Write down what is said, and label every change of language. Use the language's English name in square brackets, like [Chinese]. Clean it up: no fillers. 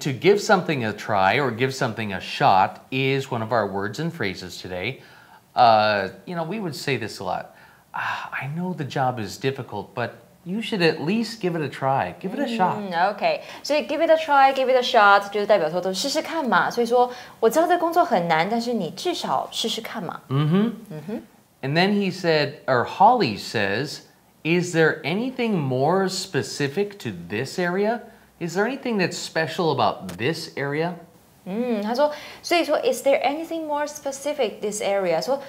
[English] to give something a try or give something a shot is one of our words and phrases today. You know, we would say this a lot. I know the job is difficult, but you should at least give it a try. Give it a shot. Okay. So give it a try, give it a shot, [Chinese] 就是代表说都试试看嘛。所以说,我知道这工作很难, 但是你至少试试看嘛。 [English] And then he said, or Holly says, is there anything more specific to this area? Is there anything that's special about this area? [Chinese] 他说,所以说, [English] is there anything more specific to this area?